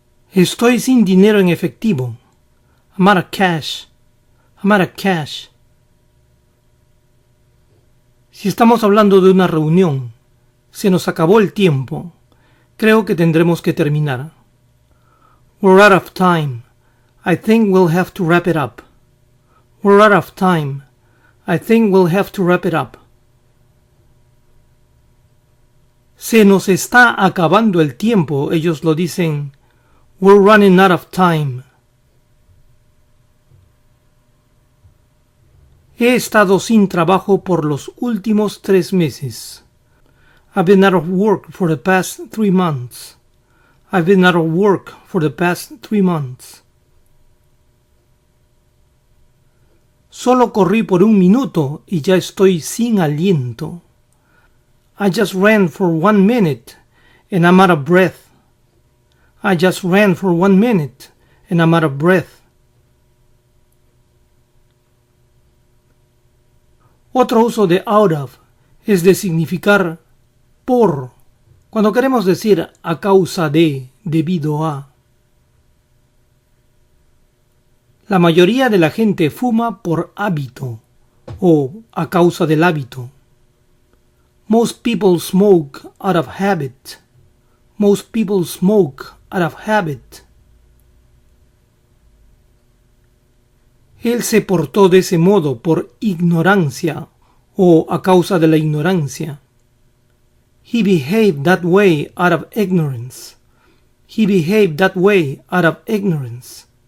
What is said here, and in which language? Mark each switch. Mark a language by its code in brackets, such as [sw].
[es] Estoy sin dinero en efectivo. [en] I'm out of cash. I'm out of cash. [es] Si estamos hablando de una reunión, se nos acabó el tiempo. Creo que tendremos que terminar. [en] We're out of time. I think we'll have to wrap it up. We're out of time. I think we'll have to wrap it up. [es] Se nos está acabando el tiempo, ellos lo dicen. [en] We're running out of time. [es] He estado sin trabajo por los últimos 3 meses. [en] I've been out of work for the past 3 months. I've been out of work for the past 3 months. [es] Solo corrí por 1 minuto y ya estoy sin aliento. [en] I just ran for 1 minute and I'm out of breath. I just ran for 1 minute and I'm out of breath. [es] Otro uso de out of es de significar por, cuando queremos decir a causa de, debido a. La mayoría de la gente fuma por hábito o a causa del hábito. [en] Most people smoke out of habit. Most people smoke out of habit. [es] Él se portó de ese modo por ignorancia o a causa de la ignorancia. [en] He behaved that way out of ignorance. He behaved that way out of ignorance.